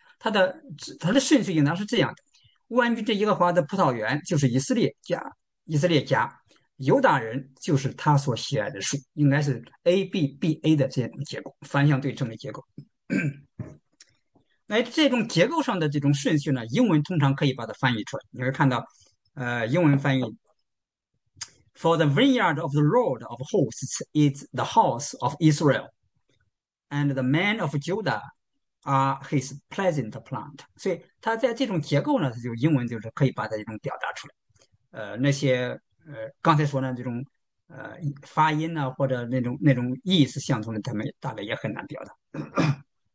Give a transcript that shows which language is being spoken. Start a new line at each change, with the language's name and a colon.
Chinese: 他的顺序应当是这样的：万军的耶和华的葡萄园就是以色列家，以色列家犹大人就是他所喜爱的树，应该是 A B B A 的这种结构，反向对称的结构。哎，这种结构上的这种顺序呢，英文通常可以把它翻译出来。你会看到，英文翻译：
English: For the vineyard of the Lord of hosts is the house of Israel, and the men of Judah are his pleasant plant。
Chinese: 所以，它在这种结构呢，它就英文就是可以把它这种表达出来。那些刚才说呢，这种发音呢、啊，或者那种意思相同的，他们大概也很难表达。